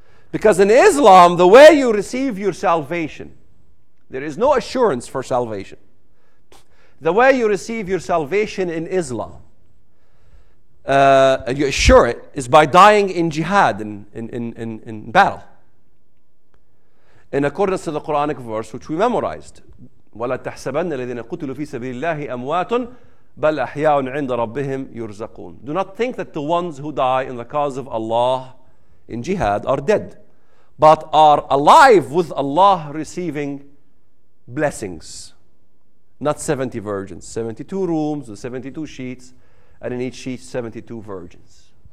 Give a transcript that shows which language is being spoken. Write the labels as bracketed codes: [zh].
[en] Because in Islam, the way you receive your salvation, there is no assurance for salvation. The way you receive your salvation in Islam, and you assure it, is by dying in jihad, in battle. In accordance to the Quranic verse, which we memorized, [ar] وَلَا تَحْسَبَنَّ الَّذِينَ قُتِلُوا فِي سَبِيلِ اللَّهِ أَمْوَاتٌ بَلْ أَحْيَاءٌ عِنْدَ رَبِّهِمْ يُرْزَقُونَ. [en] Do not think that the ones who die in the cause of Allah in jihad are dead, but are alive with Allah receiving blessings. Not 70 virgins, 72 rooms with 72 sheets, and in each sheet 72 virgins.